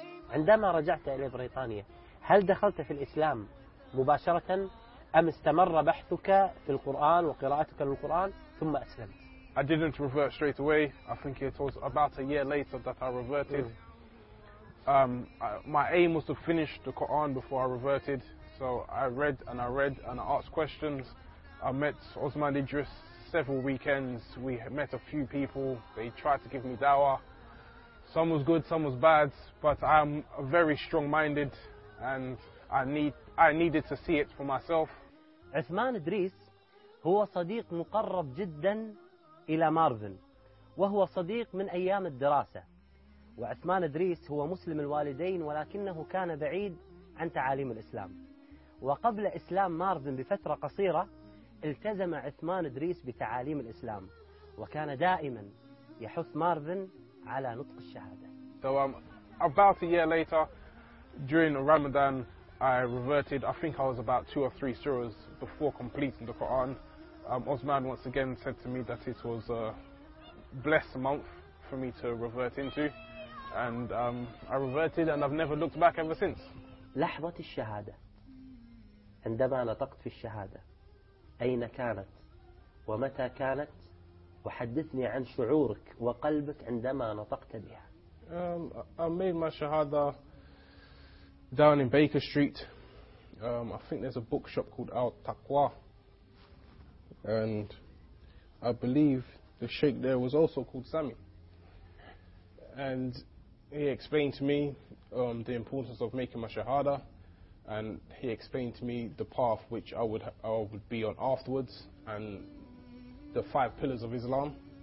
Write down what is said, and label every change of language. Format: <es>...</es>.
<ar>عندما رجعت إلى بريطانيا هل دخلت في الإسلام مباشرة أم استمر بحثك في القرآن وقراءتك للقرآن ثم أسلمت؟</ar> <en>I didn't revert straight away. I think it was about a year later that I reverted. My aim was to finish the Quran before I reverted. So I read and I read and I asked questions. I met Osman Idris several weekends. We met a few people. They tried to give me dawah. Some was good, some was bad, but I'm very strong-minded and I needed to see it for myself.</en> <ar>عثمان إدريس هو صديق مقرب جدا إلى مارفن وهو صديق من أيام الدراسة. وعثمان إدريس هو مسلم الوالدين ولكنه كان بعيد عن تعاليم الإسلام. وقبل إسلام مارفن بفترة قصيرة التزم عثمان إدريس بتعاليم الإسلام وكان دائما يحث مارفن على نطق الشهادة.</ar> <en>So about a year later, during Ramadan, I reverted. I think I was about two or three surahs before completing the Quran. Osman once again said to me that it was a blessed month for me to revert into. And I reverted and I've never looked back ever since.</en> <ar>لحظة الشهادة عندما نطقت في الشهادة أين كانت ومتى كانت وحدثني عن شعورك وقلبك عندما نطقت بها.</ar> <en>I made my shahada down in Baker Street. I think there's a bookshop called Al Taqwa, and I believe the sheikh there was also called Sami. And he explained to me the importance of making my shahada, and he explained to me the path which I would be on afterwards, and the five pillars of Islam.</en>